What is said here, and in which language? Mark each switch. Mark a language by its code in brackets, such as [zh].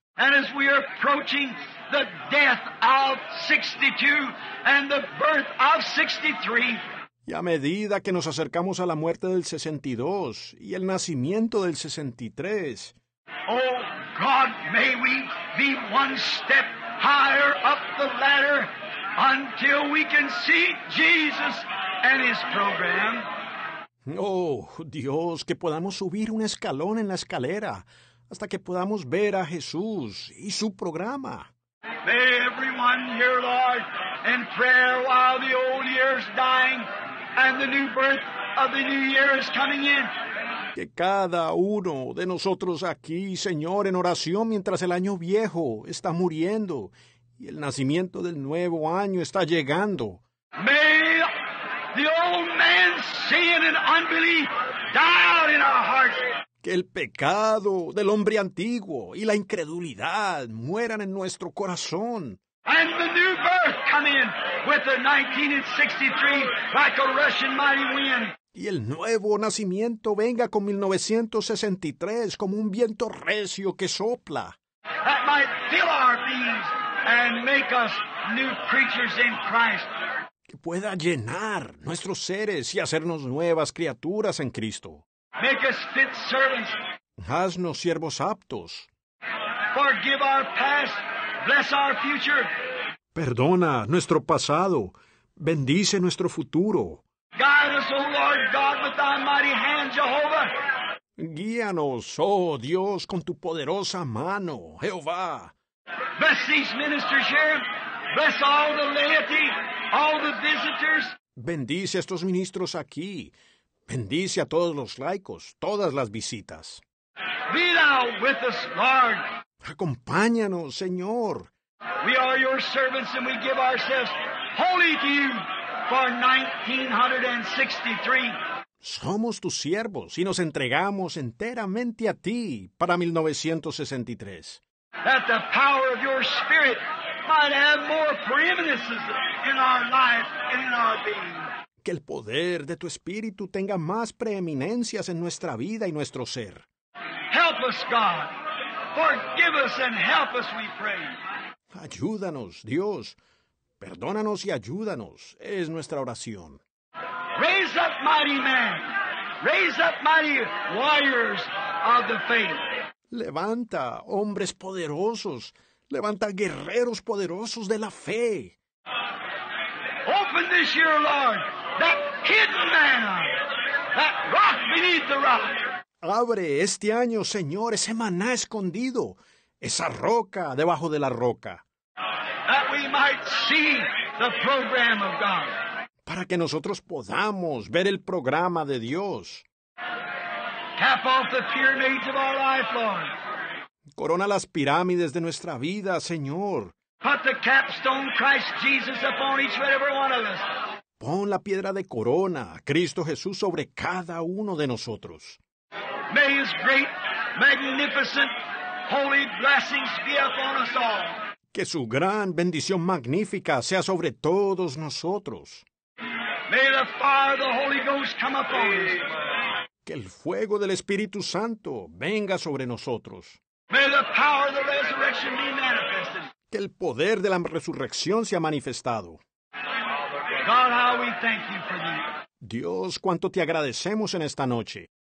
[en] And as we are approaching the death of 62 and the birth of 63. [es] Y a medida que nos acercamos a la muerte del 62 y el nacimiento del 63. [en] Oh God, may we be one step higher up the ladder until we can see Jesus and his program. [es] Oh Dios, que podamos subir un escalón en la escalera hasta que podamos ver a Jesús y su programa. [en] May everyone here, Lord, in prayer while the old year's dying and the new birth of the new year is coming in. [es] Que cada uno de nosotros aquí, Señor, en oración mientras el año viejo está muriendo y el nacimiento del nuevo año está llegando. [en] May the old man sin and unbelief die out in our hearts. [es] Que el pecado del hombre antiguo y la incredulidad mueran en nuestro corazón. [en] And the new birth come in with the 1963 like a rushing mighty wind. [es] Y el nuevo nacimiento venga con 1963 como un viento recio que sopla. [en] That might fill our beings and make us new creatures in Christ. [es] Que pueda llenar nuestros seres y hacernos nuevas criaturas en Cristo. [en] Make us fit servants. [es] Haznos siervos aptos. [en] Forgive our past, bless our future. [es] Perdona nuestro pasado, bendice nuestro futuro. [en] Guide us, O Lord God, with thy mighty hand, Jehovah. [es] Guíanos, oh Dios, con tu poderosa mano, Jehová. [en] Bless these ministers here. Bless all the laity, all the visitors. [es] Bendice a estos ministros aquí. Bendice a todos los laicos, todas las visitas. [en] Be thou with us, Lord. [es] Acompáñanos, Señor. [en] We are your servants and we give ourselves wholly to you for 1963. [es] Somos tus siervos y nos entregamos enteramente a ti para 1963. [en] That the power of your spirit might have more preeminence in our life and in our being. [es] Que el poder de tu espíritu tenga más preeminencias en nuestra vida y nuestro ser. [en] Help us, God. Forgive us and help us, we pray. [es] Ayúdanos, Dios. Perdónanos y ayúdanos, es nuestra oración. [en] Raise up mighty men. Raise up mighty warriors of the faith. [es] Levanta hombres poderosos. Levanta guerreros poderosos de la fe. [en] Open this year, Lord, that hidden manna, that rock beneath the rock. [es] Abre este año, Señor, ese maná escondido, esa roca debajo de la roca. [en] That we might see the program of God. [es] Para que nosotros podamos ver el programa de Dios. [en] Cap off the pyramids of our life, Lord. [es] Corona las pirámides de nuestra vida, Señor. [en] Put the capstone Christ Jesus upon each and every one of us. [es] Pon la piedra de corona, Cristo Jesús, sobre cada uno de nosotros. [en] May His great, magnificent, holy blessings be upon us all. [es] Que su gran bendición magnífica sea sobre todos nosotros. [en] May the fire of the Holy Ghost come upon us. [es] Que el fuego del Espíritu Santo venga sobre nosotros. [en] May the power of the resurrection be manifested. [es] Que el poder de la resurrección sea manifestado. [en] God, how we thank you for this. [es] Dios, cuánto te agradecemos en esta noche.